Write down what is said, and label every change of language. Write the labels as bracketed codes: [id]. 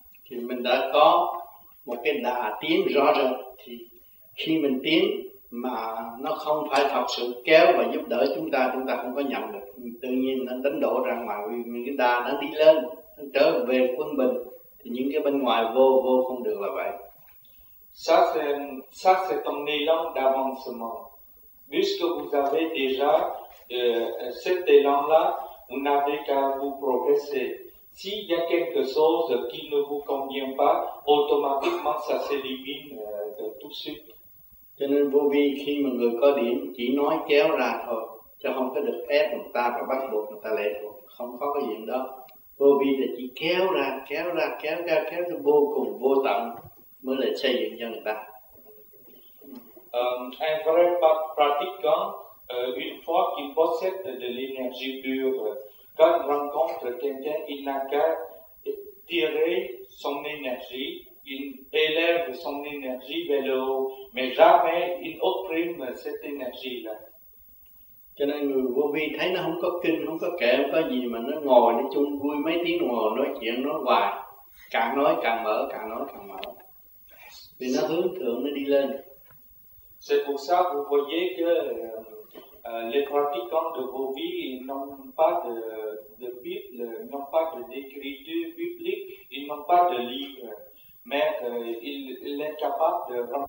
[vi] Thì mình đã có một cái đà tiến rõ rệt, thì khi mình tiến mà nó không phải thật sự kéo và giúp đỡ chúng ta không có nhận được, tự nhiên nó đánh đổ ra ngoài, những cái đà nó đi lên, nó trở về quân bình, thì những cái bên ngoài vô không được là vậy. [fr] Ça c'est ton élan d'avancement. Puisque vous avez déjà cet élan-là, vous n'avez qu'à vous progresser. S'il y a quelque chose qui ne vous convient pas, automatiquement ça s'élimine tout de suite. [vi] Cho nên vô vi khi mà người có điểm chỉ nói kéo ra thôi, chứ không có được ép người ta và bắt buộc người ta lệ thuộc, không có cái chuyện đó. Vô vi là chỉ kéo ra, vô cùng vô tận mới là xây dựng cho người ta. [fr] Un vrai pratiquant, une fois qu'il possède de l'énergie pure, quand il rencontre quelqu'un, il n'a qu'à tirer son énergie, il élève son énergie vers le haut, mais jamais il opprime cette énergie-là. [vi] Cho nên người vô vi thấy nó không có kinh, không có kệ, không có gì mà nó ngồi, nó chung vui mấy tiếng ngồi nói chuyện, nói hoài, càng nói càng mở. Vì nó hướng thượng, nó đi lên. [fr] C'est pour ça que vous voyez que les pratiquants de vos vies n'ont pas de Bible, n'ont pas d'écriture biblique, ils n'ont pas de livre, mais ils sont capables de